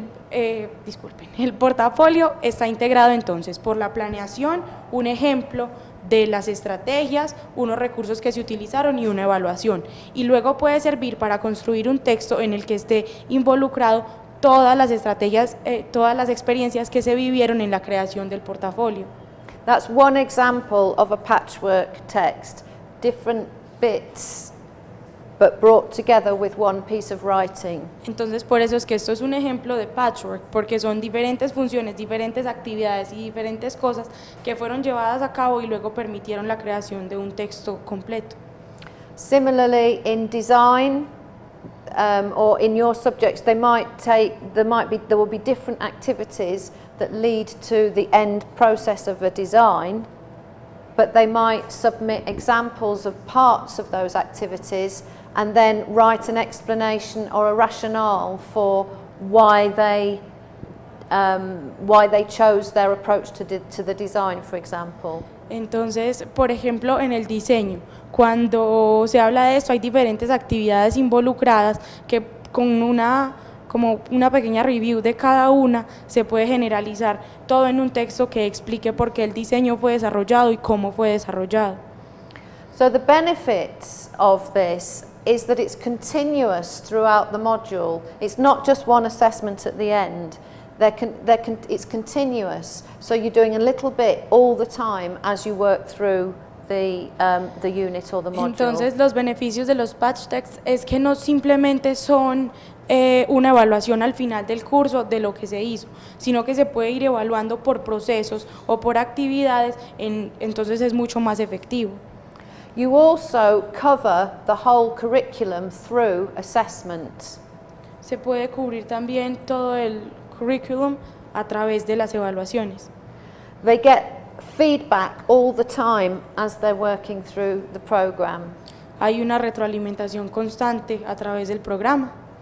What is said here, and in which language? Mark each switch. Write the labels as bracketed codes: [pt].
[es] El portafolio está integrado entonces por la planeación, un ejemplo de las estrategias, unos recursos que se utilizaron y una evaluación. Y luego puede servir para construir un texto en el que esté involucrado todas las estrategias, todas las experiencias que se vivieron en la creación del portafolio. [en] That's one example of a patchwork text. Different bits, but brought together with one piece of writing. [es] Entonces, por eso es que esto es un ejemplo de patchwork, porque son diferentes funciones, diferentes actividades y diferentes cosas que fueron llevadas a cabo y luego permitieron la creación de un texto completo. [en] Similarly, in design, or in your subjects, there will be different activities that lead to the end process of a design, but they might submit examples of parts of those activities and then write an explanation or a rationale for why they chose their approach to the design, for example. [es] Entonces, por ejemplo, en el diseño, cuando se habla de esto, hay diferentes actividades involucradas que con una pequeña review de cada una se puede generalizar todo en un texto que explique por qué el diseño fue desarrollado y cómo fue desarrollado. [en] So the benefits of this is that it's continuous throughout the module. It's not just one assessment at the end. It's continuous. So you're doing a little bit all the time as you work through the unit or the module. [es] Entonces, los beneficios de los patch texts es que no simplemente son una evaluación al final del curso de lo que se hizo, sino que se puede ir evaluando por procesos o por actividades, entonces es mucho más efectivo. [en] You also cover the whole curriculum through assessment. [es] Se puede cubrir también todo el curriculum a través de las evaluaciones. [en] They get feedback all the time as they're working through the program. [es] Hay una retroalimentación constante a través del programa.